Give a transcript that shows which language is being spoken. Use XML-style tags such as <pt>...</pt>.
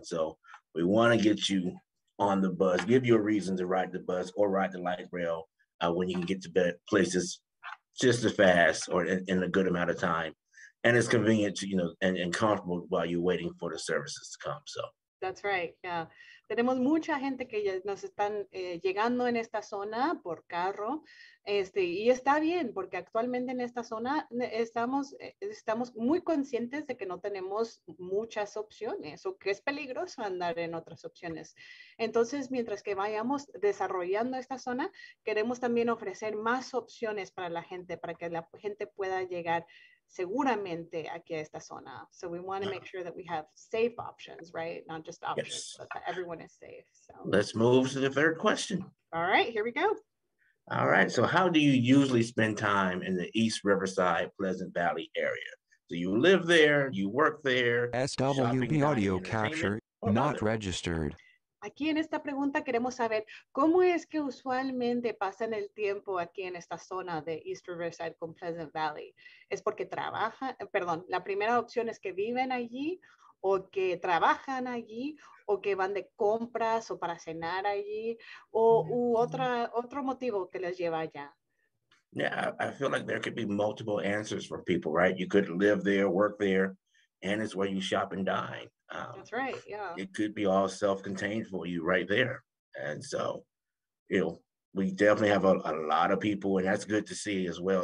<en>And so we want to get you on the bus, give you a reason to ride the bus or ride the light rail when you can get to places just as fast or in a good amount of time. And it's convenient to, and comfortable while you're waiting for the services to come, so. That's right, yeah.</en> <es>Tenemos mucha gente que nos están llegando en esta zona por carro, y está bien, porque actualmente en esta zona estamos muy conscientes de que no tenemos muchas opciones, o que es peligroso andar en otras opciones. Entonces, mientras que vayamos desarrollando esta zona, queremos también ofrecer más opciones para la gente, para que la gente pueda llegar seguramente aquí a esta zona.</es> <en>So we want to make sure that we have safe options, right? Not just options, yes, but that everyone is safe. So let's move to the third question. All right, here we go. All right, so how do you usually spend time in the East Riverside, Pleasant Valley area? So you live there, you work there. SWP audio capture, not registered.</en> <es>Aquí en esta pregunta queremos saber cómo es que usualmente pasan el tiempo aquí en esta zona de East Riverside con Pleasant Valley. ¿Es porque trabajan? Perdón, la primera opción es que viven allí o que trabajan allí o que van de compras o para cenar allí o otro motivo que les lleva allá.</es> <en>Yeah, I feel like there could be multiple answers for people, right? You could live there, work there, and it's where you shop and dine. That's right, yeah. It could be all self-contained for you right there. And so, we definitely have a lot of people, and that's good to see as well.</en>